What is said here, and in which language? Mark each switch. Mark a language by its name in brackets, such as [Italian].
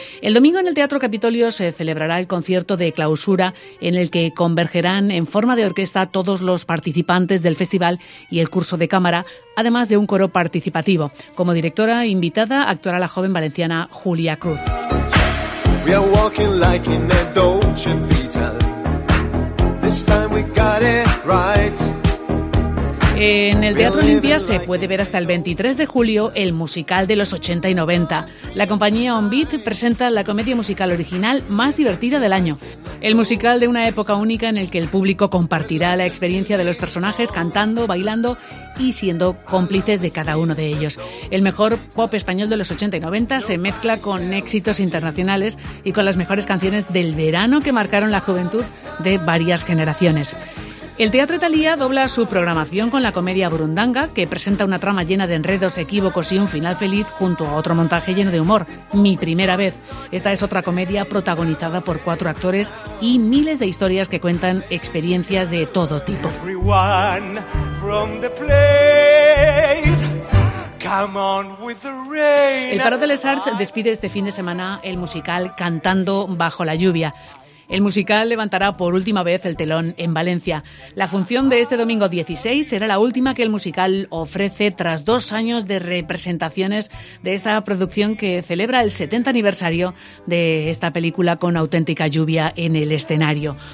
[Spanish] El domingo en el Teatro Capitolio se celebrará el concierto de clausura en el que convergerán en forma de orquesta todos los participantes del festival y el curso de cámara, además de un coro participativo. Como directora invitada actuará la joven valenciana Julia Cruz. [English] We are walking like in a Dolce Vita. This time we got it right. [Spanish] En el Teatro Olimpia se puede ver hasta el 23 de julio el musical de los 80 y 90. La compañía On Beat presenta la comedia musical original más divertida del año. El musical de una época única en el que el público compartirá la experiencia de los personajes cantando, bailando y siendo cómplices de cada uno de ellos. El mejor pop español de los 80 y 90 se mezcla con éxitos internacionales y con las mejores canciones del verano que marcaron la juventud de varias generaciones. El Teatro Thalía dobla su programación con la comedia Burundanga, que presenta una trama llena de enredos, equívocos y un final feliz junto a otro montaje lleno de humor, Mi Primera Vez. Esta es otra comedia protagonizada por 4 actores y miles de historias que cuentan experiencias de todo tipo. [English] Everyone from the place. Come on with the rain. [Spanish] El Parc de les Arts despide este fin de semana el musical Cantando bajo la lluvia. El musical levantará por última vez el telón en Valencia. La función de este domingo 16 será la última que el musical ofrece tras 2 años de representaciones de esta producción que celebra el 70 aniversario de esta película con auténtica lluvia en el escenario.